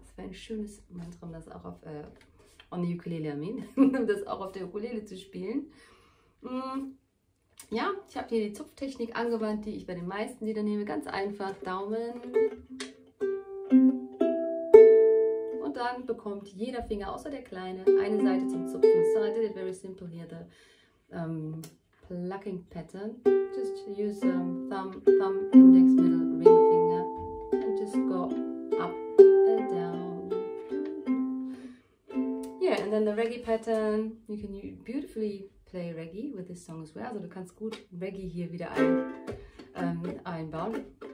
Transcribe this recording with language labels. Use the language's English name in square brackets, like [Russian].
[German] Es wäre ein schönes Mantra, um das auch auf [English] on the ukulele, [German] um das auch auf der Ukulele zu spielen. Ja, ich habe hier die Zupftechnik angewandt, die ich bei den meisten Liedern nehme. Ganz einfach, Daumen. Und dann bekommt jeder Finger, außer der kleine, eine Seite zum Zupfen. [English] So I did it very simple here, the plucking pattern. Just use thumb index middle ring. Go up and down. Yeah, and then the reggae pattern. You can beautifully play reggae with this song as well. [German] Also du kannst gut reggae hier wieder einbauen.